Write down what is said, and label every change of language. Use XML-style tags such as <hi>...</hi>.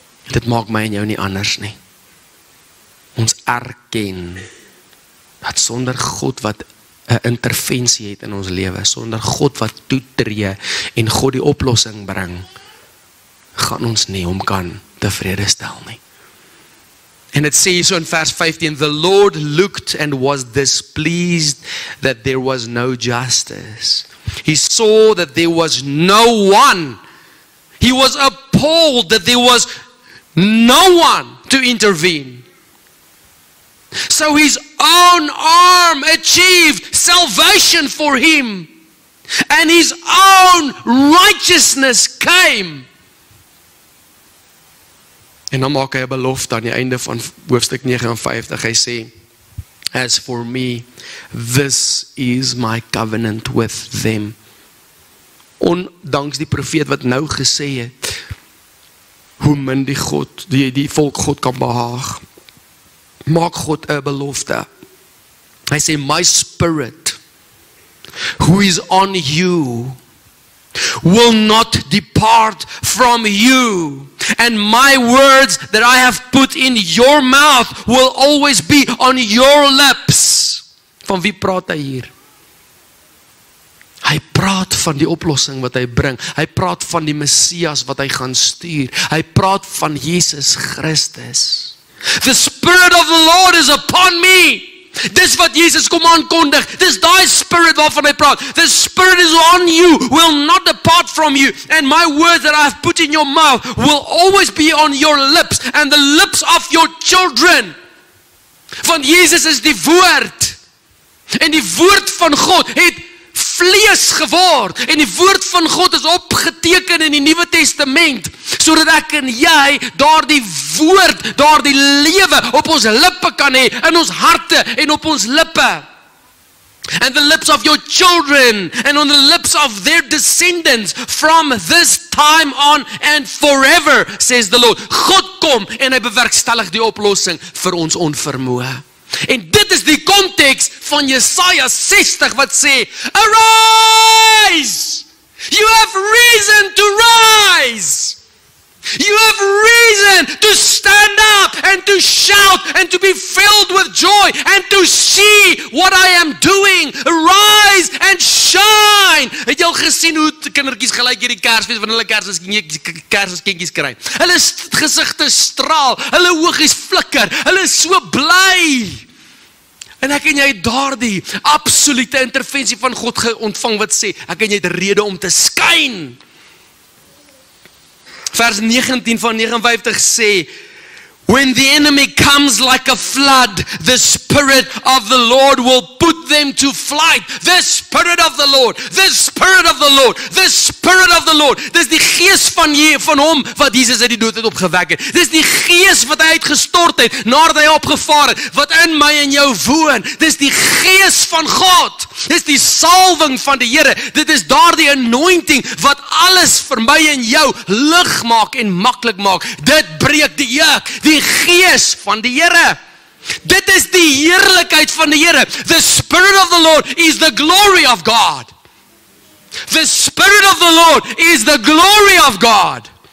<af>Dit maak my en jou nie anders nie. Ons erken dat sonder God wat 'n intervensie het in ons lewe, sonder God wat toetree en God die oplossing bring, gaan ons nie hom kan tevrede stel nie. En het sê so in vers 15,</af> <en>the Lord looked and was displeased that there was no justice. He saw that there was no one. He was appalled that there was no one to intervene. So his own arm achieved salvation for him. And his own righteousness came.</en> <af>En dan maak hy 'n belofte aan die einde van hoofstuk 59. Hy sê,</af> <en>as for me, this is my covenant with them.</en> <af>Ondanks die profeet wat nou gesê het, hoe min die God, die volk God kan behaag, maak God 'n belofte. Hy sê,</af> <en>my spirit, who is on you, will not depart from you. And my words that I have put in your mouth will always be on your lips.</en> <af>Van wie praat hy hier? Hy praat van die oplossing wat hy bring. Hy praat van die Messias wat hy gaan stuur. Hy praat van Jesus Christus.</af> <en>The Spirit of the Lord is upon me.</en> <af>Dis wat Jesus kom aankondig. Dis die spirit waarvan hy praat.</af> <en>The spirit is on you, will not depart from you. And my words that I have put in your mouth will always be on your lips and the lips of your children.</en> <af>Want Jesus is die woord. En die woord van God het vlees geword. En die woord van God is opgeteken in die Nuwe Testament. Sodat ek en jy daardie woord, daardie lewe op ons lippe kan hê, in ons harte en op ons lippe.</af> <en>And the lips of your children and on the lips of their descendants from this time on and forever, says the Lord.</en> <af>God kom en hy bewerkstellig die oplossing vir ons onvermoë. En dit is die konteks van Jesaja 60 wat sê, arise!</af> <en>You have reason to rise! You have reason to stand up and to shout and to be filled with joy and to see what I am doing. Arise and shine.</en> <af>Het jy al gesien hoe kindertjies gelyk hierdie Kersfees wanneer hulle Kersenskinkies kry? Hulle gesigte straal, hulle oogies flikker, hulle is so bly. En ek en jy het daardie absolute intervensie van God ontvang wat sê, ek en jy het rede om te skyn. Vers 19 van 59 sê,</af> <en>when the enemy comes like a flood, the spirit of the Lord will put them to flight. The spirit of the Lord, the spirit of the Lord, the spirit of the Lord.</en> <af>Dis die gees van hier, van hom, wat Jesus uit die dood het opgewek het. Dis die gees wat hy uitgestort het, nadat hy opgevaar het, wat in my en jou woon. Dis die gees van God. Dis die salwing van die Here. Dit is daardie anointing, wat alles vir my en jou lig maak en maklik maak. Dit breek die juk. Die gees van die Here. Dit is die heerlikheid van die Here.</af> <en>The Spirit of the Lord is the glory of God. The Spirit of the Lord is the glory of God.</en>